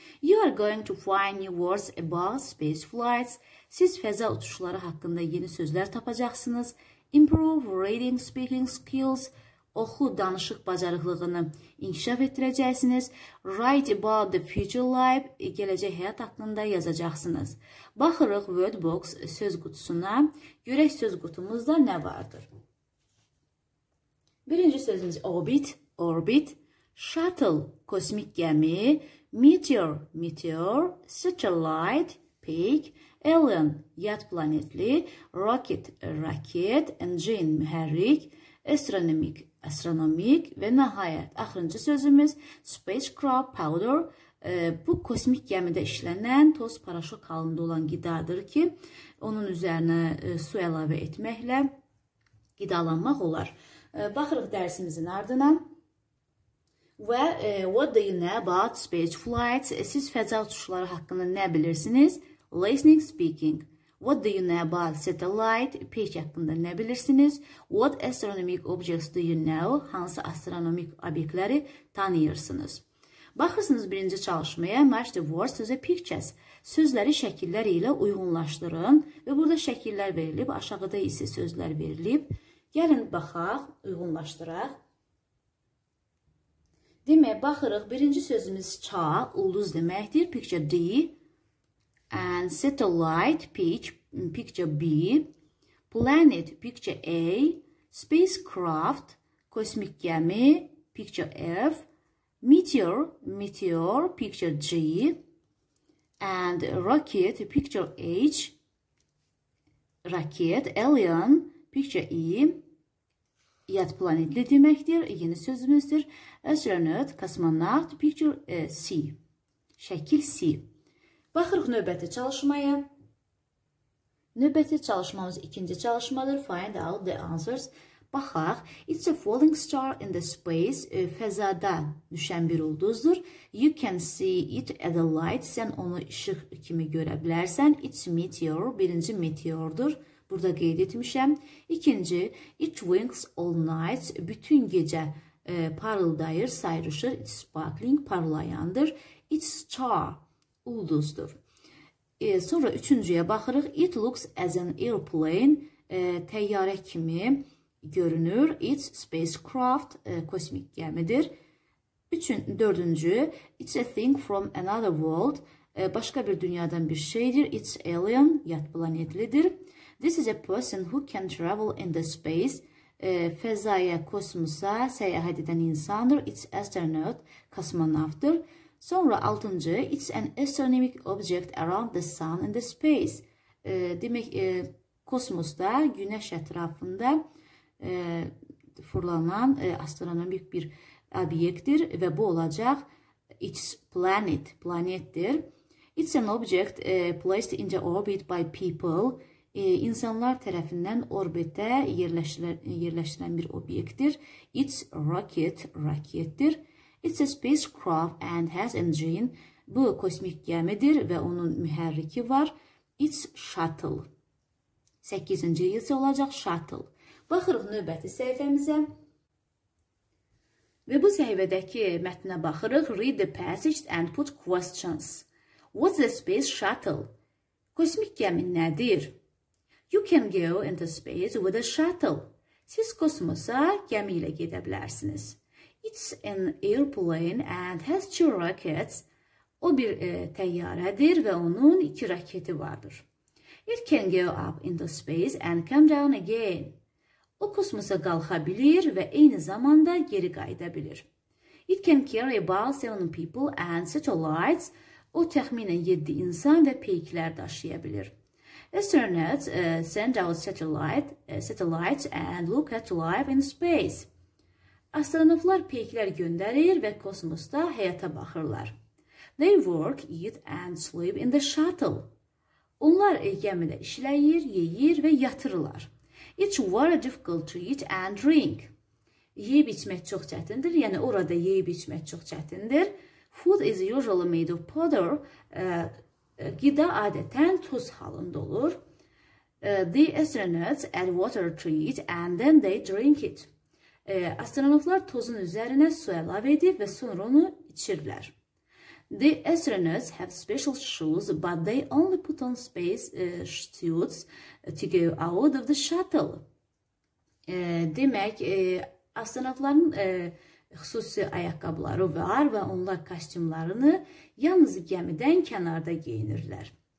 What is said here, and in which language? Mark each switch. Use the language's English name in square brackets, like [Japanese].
[English] You are going to find new words about space flights. [Azerbaijani] Siz fəza uçuşları haqqında yeni sözlər tapacaqsınız. [English] Improve reading speaking skills, [Azerbaijani] oxu danışıq bacarıqlığını inkişaf etdirəcəksiniz. [English] Write about the future life, [Azerbaijani] gələcək həyat haqqında yazacaqsınız. Baxırıq word box söz qutusuna. Görək söz qutumuzda nə vardır? Birinci sözümüz orbit, orbit, shuttle, kosmik gəmi, meteor, meteor, satellite, peak, alien, yad planetli, rocket, rocket, engine, mühərrik, astronomic, astronomik və nəhayət, axırıncı sözümüz spacecraft powder. Bu, kosmik gəmidə işlənən toz paraşok halında olan qidadır ki, onun üzərinə su əlavə etməklə qidalanmaq olar. Baxırıq dərsimizin ardına. [English] Və what do you know about space flights? [Azerbaijani] Siz fəzə uçuşları haqqında nə bilirsiniz? [English] Listening speaking. What do you know about satellite? [Azerbaijani] Peak haqqında nə bilirsiniz? [English] What astronomic objects do you know? [Azerbaijani] Hansı astronomik obyektləri tanıyırsınız? Baxırsınız birinci çalışmaya. [English] Match the words to the pictures. [Azerbaijani] Sözləri şəkillər ilə uyğunlaşdırın. Və burada şəkillər verilib, aşağıda isə sözlər verilib. Gəlin, baxaq, uyğunlaşdıraq. Demək, baxırıq, birinci sözümüz çağ, ulduz deməkdir. [English] Picture D. And satellite, picture B, planet, picture A, spacecraft, kosmik gəmi, picture F, meteor, meteor, picture G, and rocket, picture H, rocket, alien, picture E, [Azerbaijani] yad planetli deməkdir, yeni sözümüzdür, [English] astronaut, kosmonaut, picture C, [Azerbaijani] şəkil C. Baxırıq növbəti çalışmaya. Növbəti çalışmamız ikinci çalışmadır. [English] Find out the answers. [Azerbaijani] Baxaq. [English] It's a falling star in the space. [Azerbaijani] Fəzada düşən bir ulduzdur. [English] You can see it at the light. [Azerbaijani] Sən onu ışıq kimi görə bilərsən. [English] It's meteor. [Azerbaijani] Birinci meteordur. Burada qeyd etmişəm. İkinci. [English] It winks all night. [Azerbaijani] Bütün gecə parıldayır, sayrışır. [English] It's sparkling. [Azerbaijani] Parlayandır. [English] It's star. [Azerbaijani] Ulduzdur. Sonra üçüncüyə baxırıq. [English] It looks as an airplane. [Azerbaijani] Təyyarə kimi görünür. [English] It's spacecraft. [Azerbaijani] Kosmik gəmidir. Dördüncü. [English] It's a thing from another world. [Azerbaijani] Başqa bir dünyadan bir şeydir. [English] It's alien. [Azerbaijani] Yad planetlidir. [English] This is a person who can travel in the space. [Azerbaijani] Fəzaya, kosmosa səyahət edən insandır. [English] It's astronaut. [Azerbaijani] Kosmonavtdır. Sonra altıncı, [English] it's an astronomic object around the sun in the space. [Azerbaijani] Demək, kosmosda, günəş ətrafında fırlanan astronomik bir obyektdir və bu olacaq, [English] it's planet, [Azerbaijani] planetdir. [English] It's an object placed in the orbit by people. [Azerbaijani] İnsanlar tərəfindən orbitə yerləşdirilən bir obyektdir. [English] It's rocket, rocketdir. It's a spacecraft and has engine. [Azerbaijani] Bu, kosmik gəmidir və onun mühərriki var. [English] It's shuttle. [Azerbaijani] 8-ci yılsa olacaq shuttle. Baxırıq növbəti səhifəmizə. Və bu səhifədəki mətnə baxırıq. [English] Read the passage and put questions. What's a space shuttle? [Azerbaijani] Kosmik gəmi nədir? [English] You can go into space with a shuttle. [Azerbaijani] Siz kosmosa gəmi ilə gedə bilərsiniz. [English] It's an airplane and has two rockets. [Azerbaijani] O bir təyyarədir və onun iki raketi vardır. [English] It can go up into space and come down again. [Azerbaijani] O kosmosa qalxa bilir və eyni zamanda geri qayıda bilir. [English] It can carry about 7 people and satellites. [Azerbaijani] O təxminən 7 insan və peyklər daşıya bilir. [English] Astronauts send out satellites and look at life in space. [Azerbaijani] Astronavtlar peyklər göndərir və kosmosda həyata baxırlar. [English] They work, eat and sleep in the shuttle. [Azerbaijani] Onlar gəmidə işləyir, yeyir və yatırlar. [English] It's very difficult to eat and drink. [Azerbaijani] Yeyib içmək çox çətindir, yəni orada yeyib içmək çox çətindir. [English] Food is usually made of powder. [Azerbaijani] Qida adətən toz halında olur. [English] The astronauts add water to it and then they drink it. [Azerbaijani] Astronautlar tozun üzerine su əlavə edib və sonra onu içirlər. [English] The astronauts have special shoes, but they only put on space suits to go out of the shuttle. [Azerbaijani] Demək, astronautların xüsusi ayaqqabıları var və onlar kostyumlarını yalnız gəmidən kənarda geyinirlər.